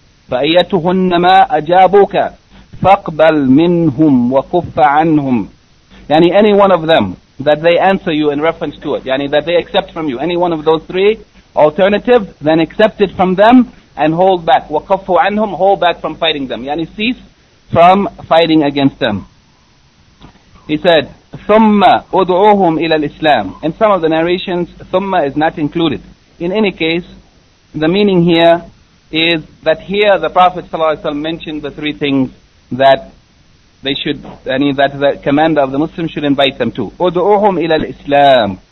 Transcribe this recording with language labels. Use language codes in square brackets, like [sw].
[ar] فَأَيَّتُهُنَّمَا أَجَابُكَ فَاقْبَلْ مِنْهُمْ وَكُفَّ عَنْهُمْ. [en] Yani any one of them that they answer you in reference to it, yani that they accept from you, any one of those three alternatives, then accept it from them and hold back. [ar] وَكُفَّ عَنْهُمْ, [en] hold back from fighting them. Yani cease from fighting against them. He said, [ar] ثُمَّ أُدْعُوهُمْ إِلَى الْإِسْلَامِ. [en] In some of the narrations, ثُمَّ is not included. In any case, the meaning here is that here the Prophet ﷺ mentioned the three things that they should, I mean, that the commander of the Muslims should invite them to. [ar] أُدْعُوهُمْ إِلَى الْإِسْلَامِ.